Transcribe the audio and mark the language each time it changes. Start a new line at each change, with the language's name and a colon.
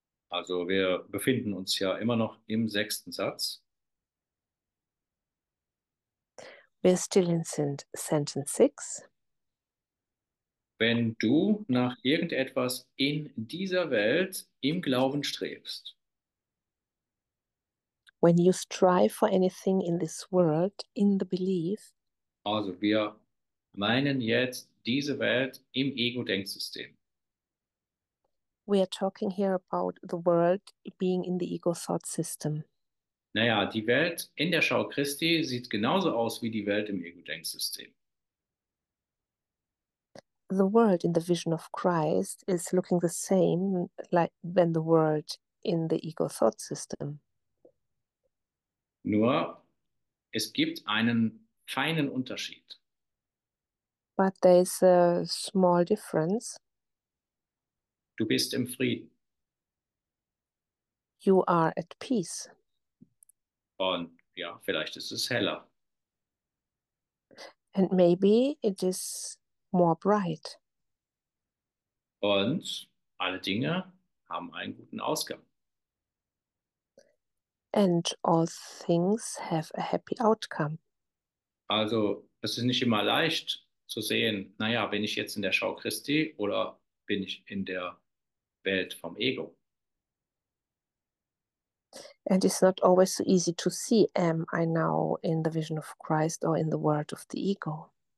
German: Also wir befinden uns ja immer noch im sechsten Satz.
English: We're still in sentence 6.
German: Wenn du nach irgendetwas in dieser Welt im Glauben strebst.
English: When you strive for anything in this world in the belief.
German: Also wir meinen jetzt diese Welt im Ego-Denksystem.
English: We are talking here about the world being in the ego thought system.
German: Naja, die Welt in der Schau Christi sieht genauso aus wie die Welt im Ego-Denksystem.
English: The world in the vision of Christ is looking the same like when the world in the ego thought system.
German: Nur, es gibt einen feinen Unterschied.
English: But there is a small difference.
German: Du bist im Frieden.
English: You are at peace.
German: Und ja, vielleicht ist es heller.
English: And maybe it is more bright.
German: Und alle Dinge haben einen guten Ausgang.
English: And all things have a happy outcome.
German: Also, es ist nicht immer leicht zu sehen, naja, bin ich jetzt in der Schau Christi oder bin ich in der Welt vom Ego?
English: And it's not always so easy to see, am I now in the vision of Christ or in the world of the ego?